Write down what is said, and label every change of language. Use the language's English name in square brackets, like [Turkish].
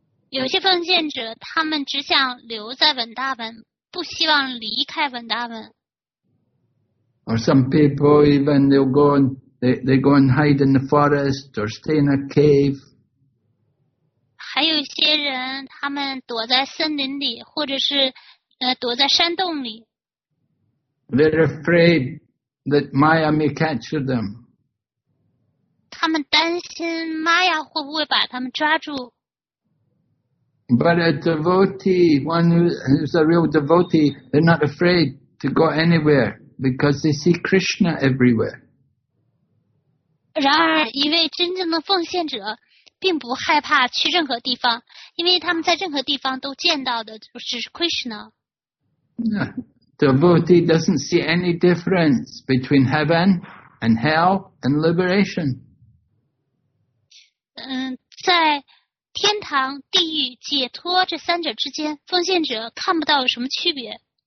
[Chinese] 有些奉献者他们只想留在 Vrindavan, 不希望离开 Vrindavan. [English] Or some people even they'll go and they go and hide in the forest or stay in a cave. [Chinese] 还有一些人他们躲在森林里或者是躲在山洞里。 [English] They're afraid that Maya may capture them. [Chinese] 他们担心 Maya 会不会把他们抓住。 [English] But a devotee, one who's a real devotee, they're not afraid to go anywhere because they see Krishna everywhere. [Chinese] 然而一位真正的奉献者并不害怕去任何地方，因为他们在任何地方都见到的就是 Krishna。 [English] Devotee doesn't see any difference between heaven and hell and liberation. [Chinese] 在天堂、地狱、解脱这三者之间，奉献者看不到有什么区别。